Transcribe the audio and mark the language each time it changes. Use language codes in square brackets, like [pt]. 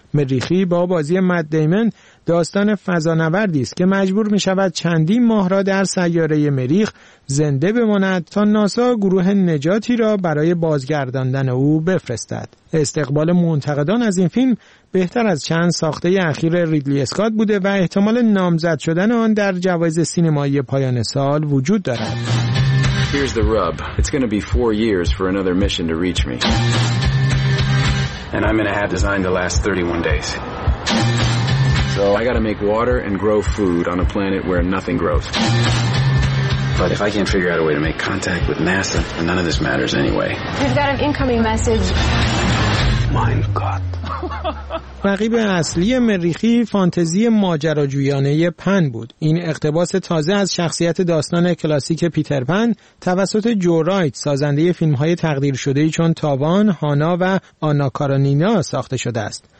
[fa] مریخی با بازی مت دیمن داستان فضانوردی است که مجبور می شود چندین ماه را در سیاره مریخ زنده بماند تا ناسا گروه نجاتی را برای بازگرداندن او بفرستد. استقبال منتقدان از این فیلم بهتر از چند ساخته اخیر ریدلی اسکات بوده و احتمال نامزد شدن آن در جوایز سینمایی پایان سال وجود دارد. [en] Here's the rub. It's going to be 4 years for another mission to reach me. And I'm going to have designed the last 31 days. So I got to make water and grow food on a planet where nothing grows. But if I can't figure out a way to make contact with NASA, then none of this matters anyway. We've got an incoming message. [de] Mein Gott. [fa] رقیب اصلی مریخی فانتزی ماجراجویانه پن بود. این اقتباس تازه از شخصیت داستان کلاسیک پیتر پن توسط جو رایت سازنده فیلم‌های تقدیر شده چون تاوان، هانا و آنا کارانینا ساخته شده است.